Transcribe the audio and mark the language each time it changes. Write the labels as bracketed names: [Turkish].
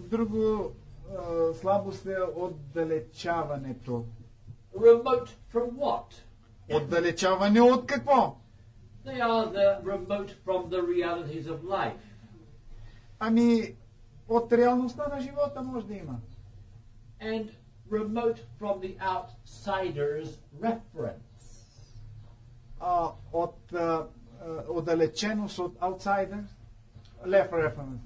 [Bulgarian] Друга слабост е отдалечаването. [English] Remote from what? [Bulgarian] Отдалечаване от какво? [English] They are the remote from the realities of life. [Bulgarian] Ами, от реалността на живота може да има. [English] And remote from the outsider's reference. [Bulgarian] Отдалеченост от [English] outsider left reference.